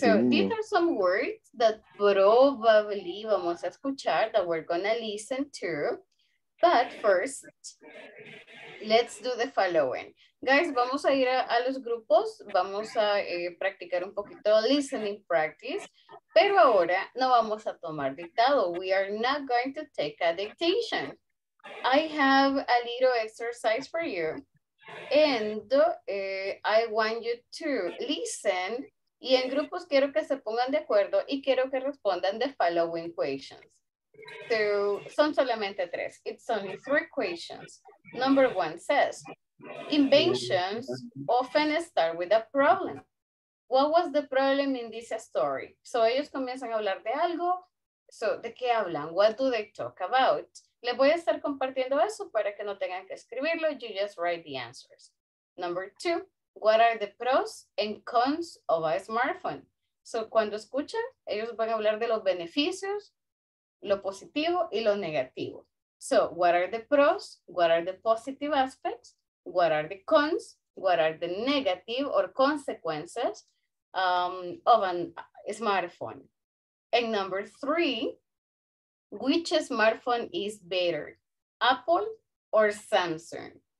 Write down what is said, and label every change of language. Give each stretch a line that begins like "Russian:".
English: So these are some words that probably
Spanish: vamos a escuchar,
English: that we're gonna listen to. But first, let's do the following.
Spanish: Guys, vamos a ir a los grupos, vamos a practicar un poquito
English: listening practice,
Spanish: pero ahora no vamos a tomar dictado.
English: We are not going to take a dictation. I have a little exercise for you. And I want you to listen.
Spanish: Y en grupos quiero que se pongan de acuerdo y quiero que respondan
English: the following questions. So,
Spanish: son solamente tres.
English: It's only three questions. Number one says, inventions often start with a problem. What was the problem in this story? So,
Spanish: ellos comienzan a hablar de algo.
English: So,
Spanish: ¿de qué hablan?
English: What do they talk about?
Spanish: Les voy a estar compartiendo eso para que no tengan que escribirlo.
English: You just write the answers. Number two, what are the pros and cons of a smartphone?
Spanish: So, cuando escuchan, ellos van a hablar de los beneficios, lo positivo y lo negativo.
English: So, what are the pros? What are the positive aspects? What are the cons? What are the negative or consequences of a smartphone? And number three, which smartphone is better, Apple or Samsung?